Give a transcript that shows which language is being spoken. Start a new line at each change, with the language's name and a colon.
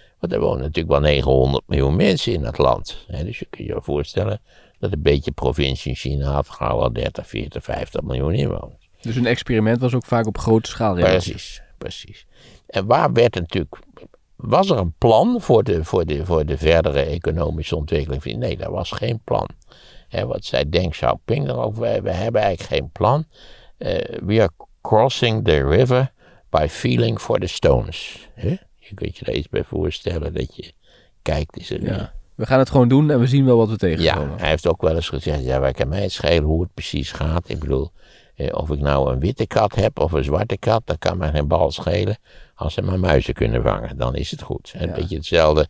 Dutch: Want er wonen natuurlijk wel 900 miljoen mensen in dat land. Dus je kunt je voorstellen dat een beetje provincie in China had gauw al 30, 40, 50 miljoen inwoners. Dus een experiment was ook vaak op grote schaal. Precies, precies. En waar werd natuurlijk... Was er een plan voor de verdere economische ontwikkeling? Nee, daar was geen plan. He, wat zei Deng Xiaoping erover? We hebben eigenlijk geen plan.
English: We are crossing the river by feeling for the stones.
Dutch: He? Je kunt je er iets bij voorstellen dat je kijkt. Is er We gaan het gewoon doen en we zien wel wat we tegenkomen. Ja, hij heeft ook wel eens gezegd, ja, waar kan mij het schelen hoe het precies gaat? Ik bedoel, of ik nou een witte kat heb of een zwarte kat, dat kan mij geen bal schelen. Als ze maar muizen kunnen vangen, dan is het goed. Een beetje hetzelfde.